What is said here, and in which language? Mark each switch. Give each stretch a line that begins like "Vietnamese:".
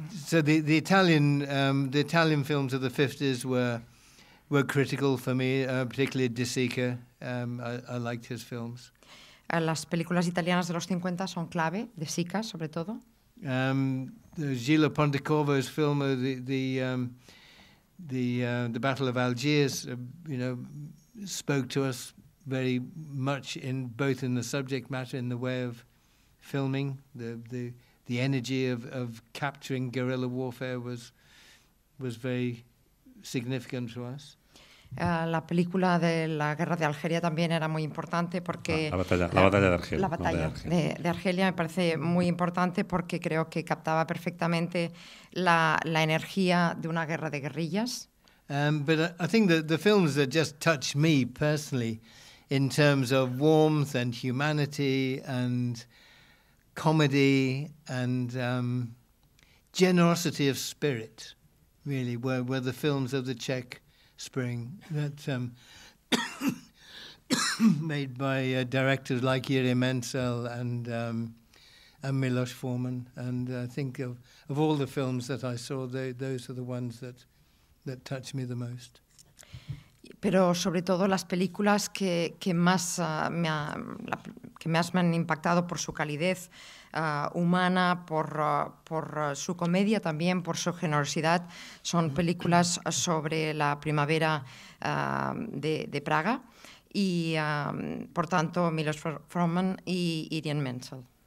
English: The Italian films of the 50s were critical for me, particularly De Sica. I liked his films.
Spanish: Las películas italianas de los 50 son clave, De Sica sobre todo.
English: Gilles Pontecorvo's film of the Battle of Algiers, spoke to us very much in both in the subject matter, in the way of filming, the energy of capturing guerrilla warfare was very significant to us.
Spanish: La película de la guerra de Argelia también era muy importante porque... La batalla de Argelia me parece muy importante porque creo que captaba perfectamente la energía de una guerra de guerrillas.
English: But I think the films that just touch me personally in terms of warmth and humanity and comedy and generosity of spirit, really, were the films of the Czech Spring that made by directors like Jiří Mencel and Miloš Forman, and I think of all the films that I saw, those are the ones that touched me the most.
Spanish: pero sobre todo las películas que más me han impactado por su calidez humana, por su comedia también, por su generosidad, son películas sobre la primavera de Praga y, por tanto, Miloš Forman y Idrien Menzel.